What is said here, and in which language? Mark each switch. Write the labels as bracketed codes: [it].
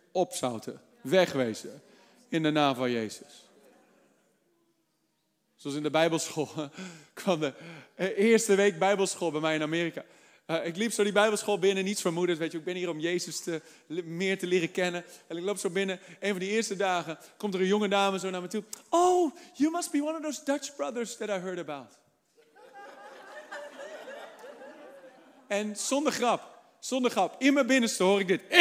[nl] Opzouten. Wegwezen. In de naam van Jezus. Zoals in de Bijbelschool. Kwam de eerste week Bijbelschool bij mij in Amerika. Ik liep zo die Bijbelschool binnen, niets vermoedend. Weet je, ik ben hier om Jezus meer te leren kennen. En ik loop zo binnen. Een van die eerste dagen komt er een jonge dame zo naar me toe. [en] Oh, you must be one of those Dutch brothers that I heard about. [nl] En zonder grap, in mijn binnenste hoor ik dit.